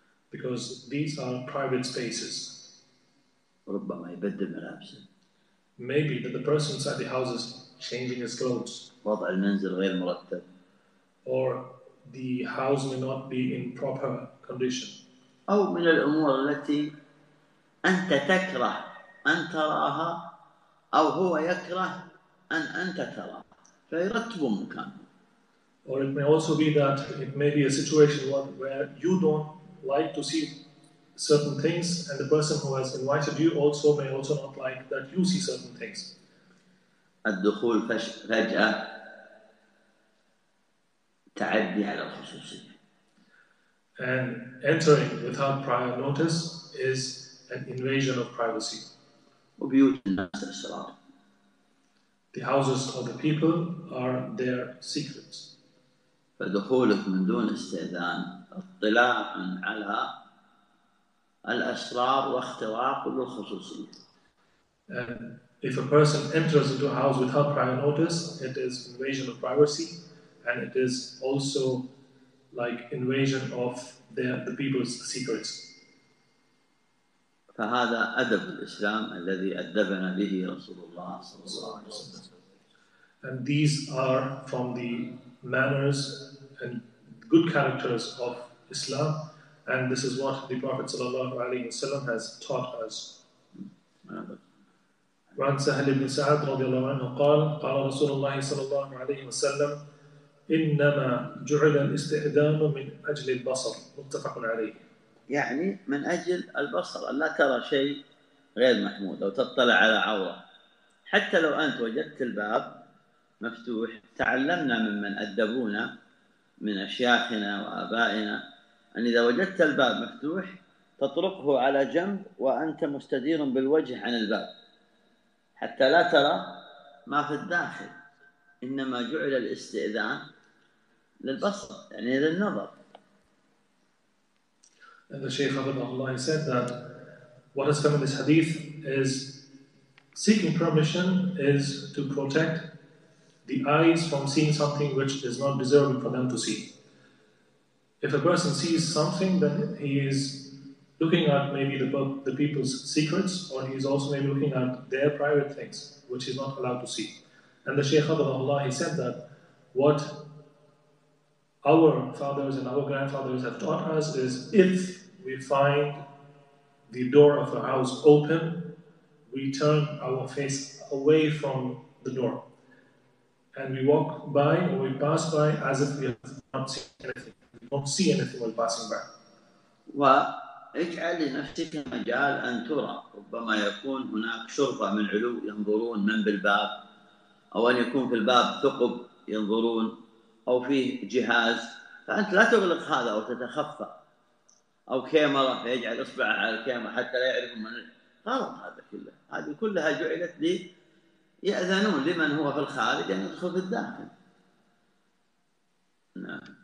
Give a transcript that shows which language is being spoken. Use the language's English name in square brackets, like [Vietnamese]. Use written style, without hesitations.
[English] Because these are private spaces. [Arabic] ربما يبدل ملابسه. [English] Maybe that the person inside the house is changing his clothes. [Arabic] وضع المنزل غير مرتب. [English] Or the house may not be in proper condition. [Arabic] أو من الأمور التي أنت تكره أن تراها أو هو يكره أن أنت تراه. فيرتب مكانه. [English] Or it may also be that it may be a situation where you don't like to see certain things and the person who has invited you also may also not like that you see certain things. [Arabic] الدخول فجأة تعدي على الخصوصية. [English] And entering without prior notice is an invasion of privacy. [Arabic] وبيوت الناس أسرار. [English] The houses of the people are their secrets. [Arabic] فدخولك من دون استئذان اطلاع على الأسرار واختراق للخصوصية. [English] If a person enters into a house without prior notice, it is invasion of privacy, and it is also like invasion of the people's secrets. [Arabic] فهذا أدب الإسلام الذي أدبنا به رسول الله صلى الله عليه وسلم. [English] And these are from the manners and good characters of Islam, and this is what the Prophet [Arabic] صلى الله عليه وسلم [English] has taught us. [Arabic] وعن سهل بن سعد رضي الله عنه قال قال رسول الله صلى الله عليه وسلم إنما جعل الاستئذان من أجل البصر متفق عليه يعني من أجل البصر لا ترى شيء غير محمود أو تطلع على عورة حتى لو أنت وجدت الباب مفتوح تعلمنا ممن أدبونا من أشياخنا وآبائنا أن إذا وجدت الباب مفتوح تطرقه على جنب وأنت مستدير بالوجه عن الباب حتى لا ترى ما في الداخل إنما جعل الاستئذان للبصر يعني للنظر [English] And the Shaykh Abdullah said that what has come in this hadith is seeking permission is to protect the eyes from seeing something which is not deserving for them to see. If a person sees something, then he is looking at maybe the people's secrets, or he is also maybe looking at their private things, which he's not allowed to see. And the Shaykh Abdullah, he said that what our fathers and our grandfathers have taught us is if we find the door of a house open, we turn our face away from the door. And we walk by or we pass by as if we have not seen anything. We don't see anything while passing by. [Arabic] Well, اجعل لنفسك مجال أن ترى ربما يكون هناك شرطة من علو ينظرون من بالباب أو أن يكون في الباب ثقب ينظرون أو فيه جهاز فأنت لا تغلق هذا أو تتخفى أو كاميرا فيجعل إصبعه على الكاميرا حتى لا يعرف من غلط هذا كله هذه كلها جعلت لي يأذنون لمن هو في الخارج أن يدخل في الداخل نعم